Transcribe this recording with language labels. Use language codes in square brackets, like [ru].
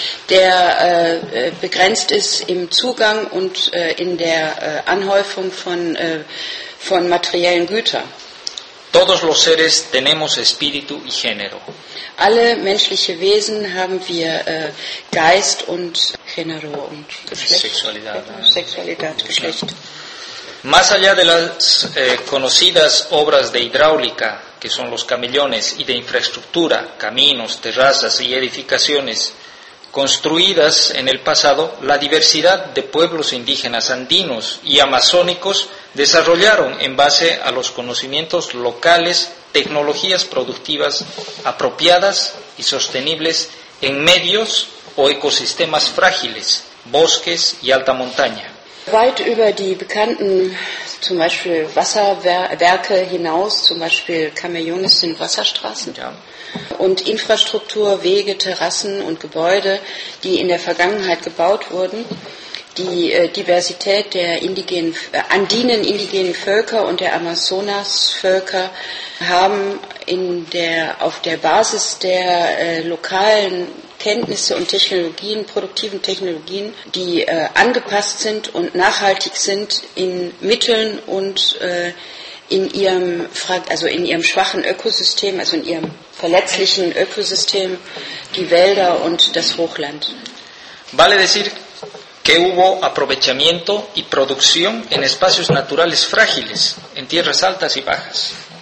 [de] der begrenzt ist im Zugang und in der Anhäufung von materiellen Gütern. [es] Todos los seres tenemos espíritu y género. [de] Alle menschliche Wesen haben wir Geist und Género und Sexualität, Geschlecht. [es] Más allá de las conocidas obras de hidráulica, que son los camellones, y de infraestructura, caminos, terrazas y edificaciones construidas en el pasado, la diversidad de pueblos indígenas andinos y amazónicos desarrollaron en base a los conocimientos locales tecnologías productivas apropiadas y sostenibles en medios o ecosistemas frágiles, bosques y alta montaña. [de] Weit über die bekannten, zum Beispiel Wasserwerke hinaus, zum Beispiel Camellones sind Wasserstraßen, ja, und Infrastruktur, Wege, Terrassen und Gebäude, die in der Vergangenheit gebaut wurden, die Diversität der andinen indigenen Völker und der Amazonasvölker haben auf der Basis der lokalen Kenntnisse und Technologien, produktiven Technologien, die angepasst sind und nachhaltig sind in Mitteln und in ihrem schwachen Ökosystem, also in ihrem verletzlichen Ökosystem, die Wälder und das Hochland. [es] Vale decir que hubo aprovechamiento y producción en espacios naturales frágiles, en tierras altas y bajas.